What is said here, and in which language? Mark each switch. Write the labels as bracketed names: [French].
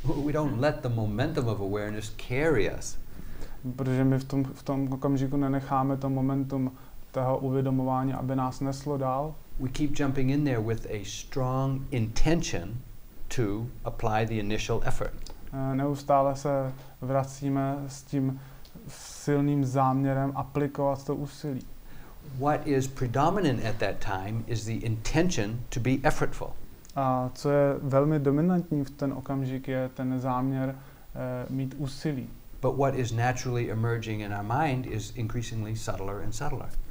[English] We don't let the momentum of awareness carry us. [Czech] Protože my v tom okamžiku nenecháme to momentum toho uvědomování, aby nás neslo dál. [English] We keep jumping in there with a strong intention to apply the initial effort. [Czech] Neustále se vracíme s tím silným záměrem aplikovat to úsilí. [English] What is predominant at that time is the intention to be effortful. [Czech] A co je velmi dominantní v ten okamžik, je ten záměr mít úsilí. [English] But what is naturally emerging in our mind is increasingly subtler and subtler.